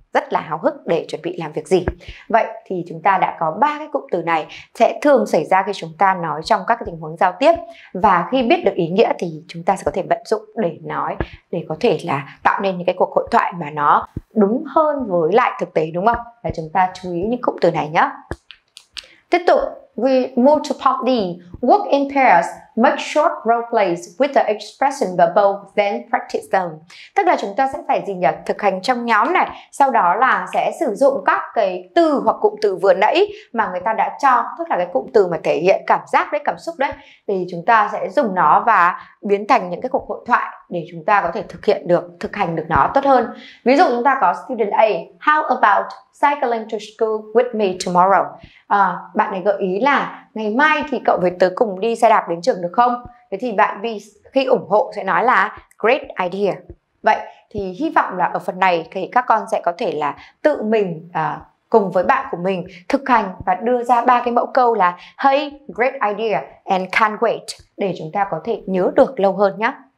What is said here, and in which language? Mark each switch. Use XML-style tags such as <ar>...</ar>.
<vi>Rất là háo hức để chuẩn bị làm việc gì. Vậy thì chúng ta đã có ba cái cụm từ này sẽ thường xảy ra khi chúng ta nói trong các cái tình huống giao tiếp. Và khi biết được ý nghĩa thì chúng ta sẽ có thể vận dụng để nói, để có thể là tạo nên những cái cuộc hội thoại mà nó đúng hơn với lại thực tế, đúng không? Và chúng ta chú ý những cụm từ này nhé. Tiếp tục,</vi> <en>we move to part D. Work in pairs, make short role plays with the expression bubble, then practice them.</en> <vi>Tức là chúng ta sẽ phải gì nhỉ? Thực hành trong nhóm này, sau đó là sẽ sử dụng các cái từ hoặc cụm từ vừa nãy mà người ta đã cho, tức là cái cụm từ mà thể hiện cảm giác đấy, cảm xúc đấy, thì chúng ta sẽ dùng nó và biến thành những cái cuộc hội thoại để chúng ta có thể thực hiện được, thực hành được nó tốt hơn. Ví dụ chúng ta có</vi> <en>student A, how about cycling to school with me tomorrow?</en> <vi>Bạn ấy gợi ý là ngày mai thì cậu với tớ cùng đi xe đạp đến trường được không? Thế thì bạn B khi ủng hộ sẽ nói là</vi> <en>great idea.</en> <vi>Vậy thì hy vọng là ở phần này thì các con sẽ có thể là tự mình cùng với bạn của mình thực hành và đưa ra ba cái mẫu câu là</vi> <en>hey, great idea and can't wait</en> <vi>để chúng ta có thể nhớ được lâu hơn nhé.</vi>